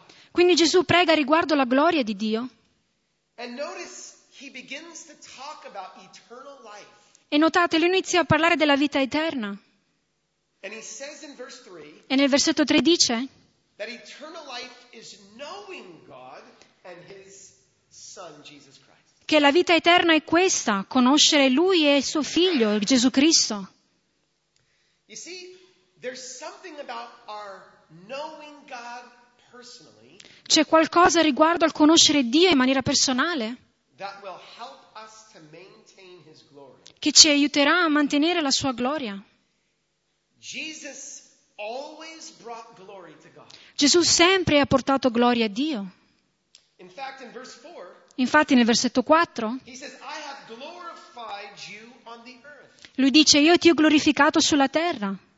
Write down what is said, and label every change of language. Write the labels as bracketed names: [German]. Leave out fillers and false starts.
[Italian] Quindi Gesù prega riguardo la gloria di Dio. E notate, lui inizia a parlare della vita eterna. E nel versetto 3 dice [English] that eternal life is knowing God and his son, Jesus Christ. [Italian] Che la vita eterna è questa, conoscere Lui e il suo Figlio, Gesù Cristo. [English] You see, there's something about our knowing God personally. [Italian] C'è qualcosa riguardo al conoscere Dio in maniera personale [English] that will help us to maintain his glory. [Italian] Che ci aiuterà a mantenere la sua gloria. [English] Jesus always brought glory to God. [Italian] Gesù sempre ha portato gloria a Dio. [English] In fact, in verse 4, [Italian] infatti nel versetto 4 [English] he says, I have glorified you on the earth. [Italian] Lui dice: io ti ho glorificato sulla terra.